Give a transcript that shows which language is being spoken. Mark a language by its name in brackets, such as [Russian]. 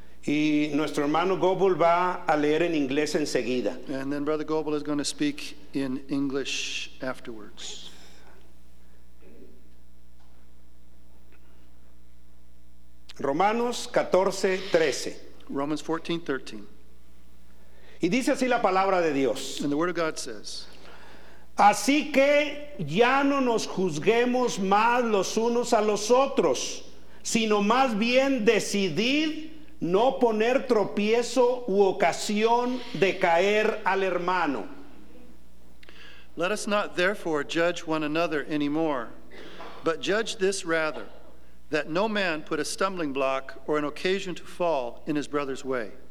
[Spanish] Y nuestro hermano Goble va a leer en inglés enseguida. [English] And then Brother Goble is going to speak in English afterwards. [Spanish] Romanos 14, 13. [English] Romans 14:13. [Spanish] Y dice así la palabra de Dios. [English] And the word of God says. [Spanish] Así que ya no nos juzguemos más los unos a los otros, sino más bien decidid no poner tropiezo u ocasión de caer al hermano. [English] Let us not therefore judge one another anymore, but judge this rather, that no man put a stumbling block or an occasion to fall in his brother's way.